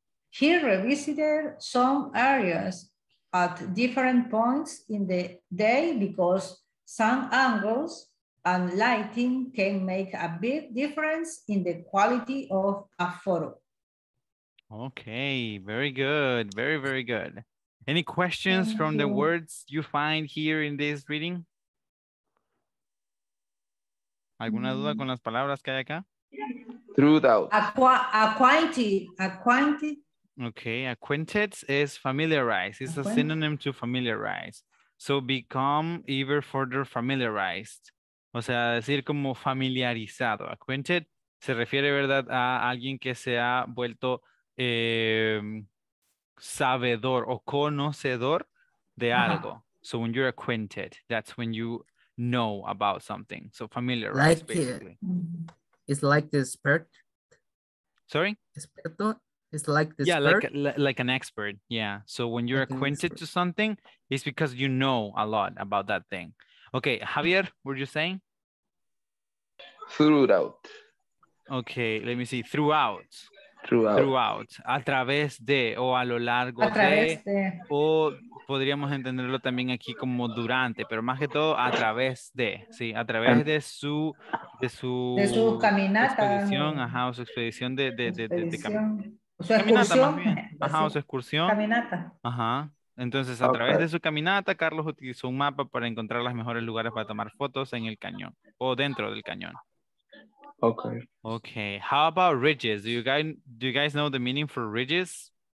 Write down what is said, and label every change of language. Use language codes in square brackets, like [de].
[en] He revisited some areas at different points in the day because sun angles and lighting can make a big difference in the quality of a photo. Okay, very good. Very, very good. Any questions from the words you find here in this reading? [es] ¿Alguna duda con las palabras que hay acá? [en] Throughout. Acquainted. Okay, acquainted is familiarize. It's a synonym to familiarize. So become even further familiarized. [es] O sea, decir como familiarizado. [en] Acquainted [es] se refiere, ¿verdad?, a alguien que se ha vuelto sabedor o conocedor de algo. [en] Uh-huh. So when you're acquainted, that's when you know about something. So familiarize, like, basically. It's like the expert. Sorry? [es] Experto. [en] It's like the expert. Yeah, like an expert. Yeah. So when you're like acquainted to something, it's because you know a lot about that thing. Okay, Javier, what are you saying? Throughout. Okay, let me see. Throughout. Throughout. Throughout. [es] A través de o a lo largo a través de. O podríamos entenderlo también aquí como durante, pero más que todo a través de. Sí, a través de su. De su, de su caminata. Expedición, ajá, o su expedición de caminata. Su excursión. Ajá, o su excursión. Caminata. Ajá. Entonces, a través de su caminata, Carlos utilizó un mapa para encontrar los mejores lugares para tomar fotos en el cañón o dentro del cañón. Okay. Okay. How about ridges? Do you guys know the meaning for ridges?